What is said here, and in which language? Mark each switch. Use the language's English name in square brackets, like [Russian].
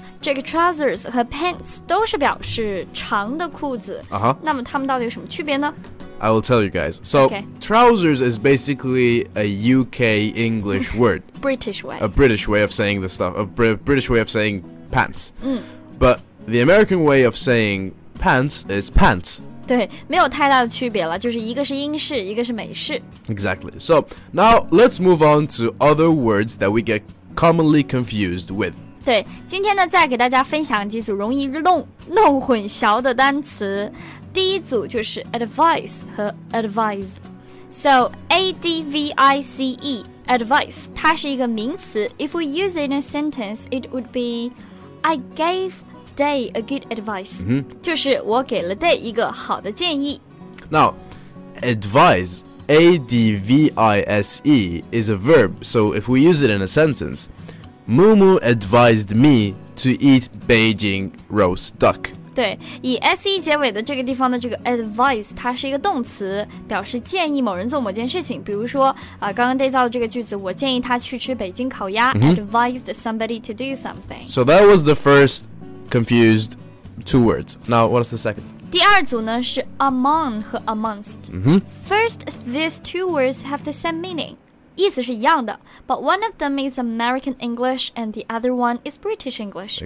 [Chinese] 这个 trousers 和 pants 都是表示长的裤子、那么它们到底有什么区别呢 [English] I will tell you guys. So,、trousers is basically a UK English word. British way. A British way of saying this stuff. British way of saying pants.、But the American way of saying pants is pants. [Chinese] 对，没有太大的区别了，就是一个是英式，一个是美式。 [English] Exactly. So, now let's move on to other words that we get commonly confused with. [Chinese] 对，今天呢，再给大家分享几组容易弄混淆的单词。第一组就是 advice 和 advise。 [English] So A-D-V-I-C-E, advice, [Chinese] 它是一个名词。 [English] If we use it in a sentence, it would be, I gave Day a good advice.、 [Chinese] 就是我给了 Day 一个好的建议。 [English] Now, advise, A-D-V-I-S-E, is a verb. So if we use it in a sentence,Mumu advised me to eat Beijing roast duck. [Chinese] 对，以 se 结尾的这个地方的这个 advise 它是一个动词，表示建议某人做某件事情。比如说，刚刚 Day 造的这个句子，我建议他去吃北京烤鸭。 [English] Advised somebody to do something. So that was the first confused two words. Now, what's the second? [Chinese] 第二组呢是 among 和 amongst.、 [English] First, these two words have the same meaning. [Chinese] 意思是一样的 [English] but one of them is American English and the other one is British English.